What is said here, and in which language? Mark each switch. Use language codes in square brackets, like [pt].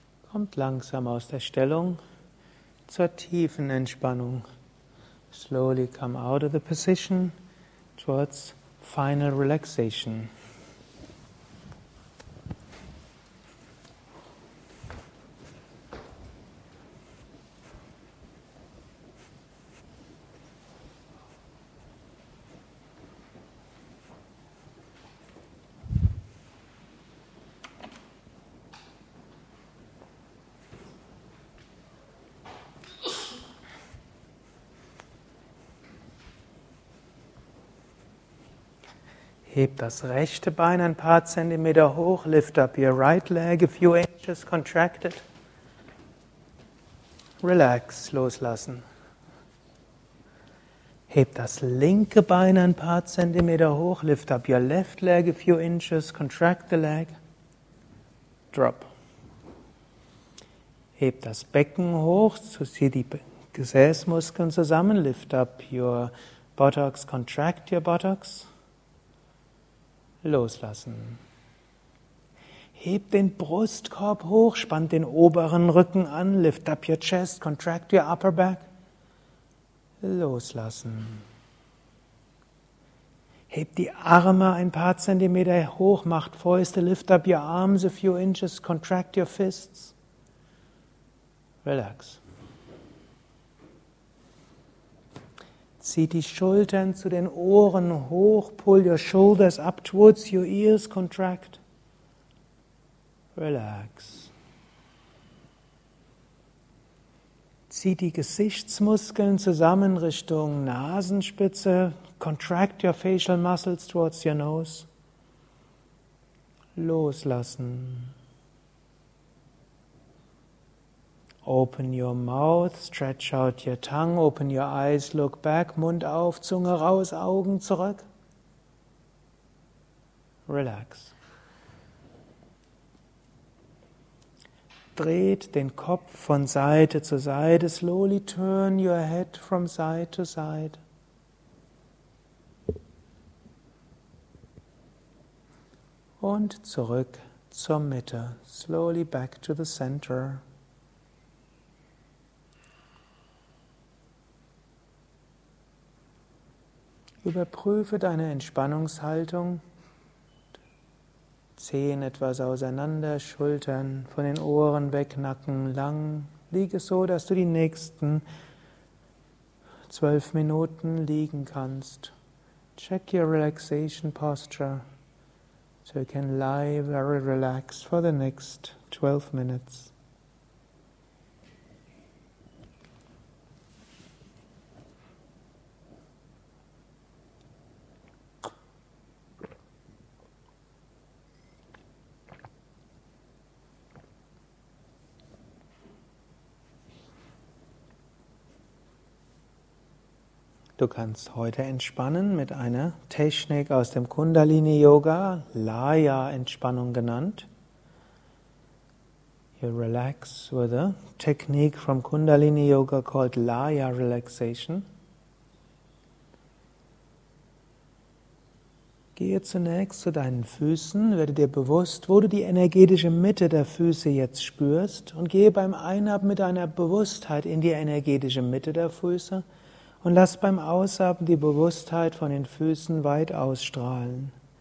[de] Kommt langsam aus der Stellung zur tiefen Entspannung. [en] Slowly come out of the position towards final relaxation. [de] Heb das rechte Bein ein paar Zentimeter hoch. [en] Lift up your right leg a few inches contracted. Relax, [de] loslassen. Heb das linke Bein ein paar Zentimeter hoch. [en] Lift up your left leg a few inches. Contract the leg. Drop. [de] Heb das Becken hoch. So zieh die Gesäßmuskeln zusammen. [en] Lift up your buttocks. Contract your buttocks. [de] Loslassen. Heb den Brustkorb hoch. Spann den oberen Rücken an. [en] Lift up your chest. Contract your upper back. [de] Loslassen. Heb die Arme ein paar Zentimeter hoch, macht Fäuste, [en] lift up your arms a few inches, contract your fists. Relax. [de] Zieh die Schultern zu den Ohren hoch, [en] pull your shoulders up towards your ears, contract. Relax. [de] Zieh die Gesichtsmuskeln zusammen Richtung Nasenspitze. [en] Contract your facial muscles towards your nose. [de] Loslassen. [en] Open your mouth, stretch out your tongue, open your eyes, look back, [de] Mund auf, Zunge raus, Augen zurück. [en] Relax. [de] Dreht den Kopf von Seite zu Seite. [en] Slowly turn your head from side to side. [de] Und zurück zur Mitte. [en] Slowly back to the center. [de] Überprüfe deine Entspannungshaltung. Zehen etwas auseinander, Schultern von den Ohren weg, Nacken lang. Liege so, dass du die nächsten 12 Minuten liegen kannst. [en] Check your relaxation posture, so you can lie very relaxed for the next 12 minutes. [de] Du kannst heute entspannen mit einer Technik aus dem Kundalini-Yoga, Laya-Entspannung genannt. [en] You relax with a technique from Kundalini-Yoga called Laya-Relaxation. [de] Gehe zunächst zu deinen Füßen, werde dir bewusst, wo du die energetische Mitte der Füße jetzt spürst und gehe beim Einatmen mit deiner Bewusstheit in die energetische Mitte der Füße. Und lass beim Ausatmen die Bewusstheit von den Füßen weit ausstrahlen.